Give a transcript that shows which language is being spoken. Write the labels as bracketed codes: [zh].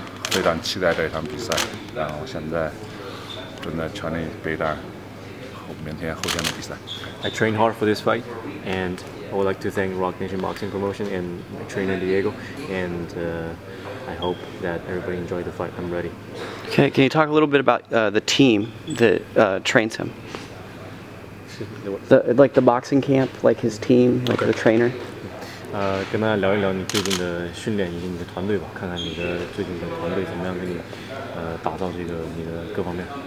[zh] 非常期待这场比赛，然后现在正在全力备战明天后天的比赛。 [en] I trained hard for this fight, and I would like to thank Rock Nation Boxing Promotion and my trainer Diego, and I hope that everybody enjoyed the fight. I'm ready. Can you talk a little bit about the team that trains him? The boxing camp, like his team, like okay. The trainer? [zh] 跟大家聊一聊你最近的训练以及你的团队吧，看看你的最近的团队怎么样给你打造这个你的各方面。